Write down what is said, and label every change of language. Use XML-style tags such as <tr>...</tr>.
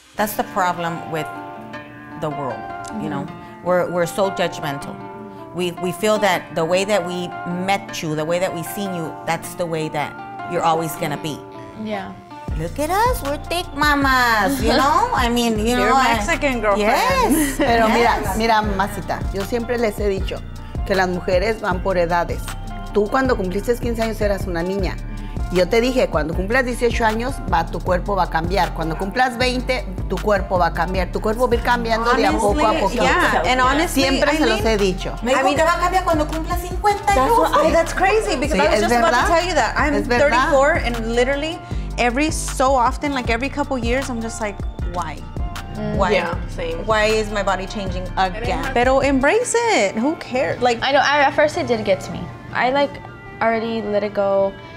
<en>That's the problem with the world, mm-hmm. You know? We're so judgmental. We feel that the way that we met you, the way that we seen you, that's the way that you're always gonna be. Yeah. Look at us, we're thick mamas, you know? I mean, you you're know. You're Mexican girlfriend. Yes.</en> <es>Pero</es> <en>yes.</en> <es>Mira, masita, yo siempre les he dicho que las mujeres van por edades. Tú cuando cumpliste 15 años eras una niña. Yo te dije, cuando cumplas 18 años, tu cuerpo va a cambiar. Cuando cumplas 20, tu cuerpo va a cambiar. Tu cuerpo va a ir cambiando de a poco a poco.</es> <en>Yeah. And honestly,</en> <es>siempre se los he dicho. Me dijo que va a cambiar cuando cumpla 50 años.</es> <en>That's crazy, because sí, I was just about to tell you that. I'm 34, and literally, every so often, like every couple years, I'm just like, why? Why? Yeah, same. Why is my body changing again? Pero embrace it. Who cares? Like, I know, at first it did get to me. I like already let it go.</en>